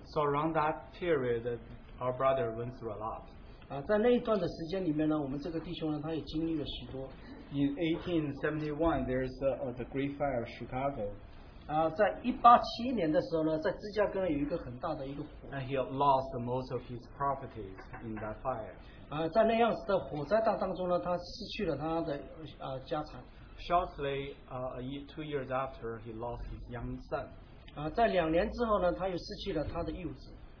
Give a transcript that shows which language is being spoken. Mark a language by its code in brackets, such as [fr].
[en] So around that period our brother went through a lot. [zh] 在那一段的时间里面呢，我们这个弟兄呢，他也经历了许多。 [en] In 1871 there is the Great Fire of Chicago. [zh] 在1871年的时候呢，在芝加哥有一个很大的一个火。 [en] And he lost most of his properties in that fire. [zh] 在那样子的火灾当中呢，他失去了他的家产。 [en] Shortly, two years after, he lost his young son. [zh] 在2年之后呢，他又失去了他的幼子。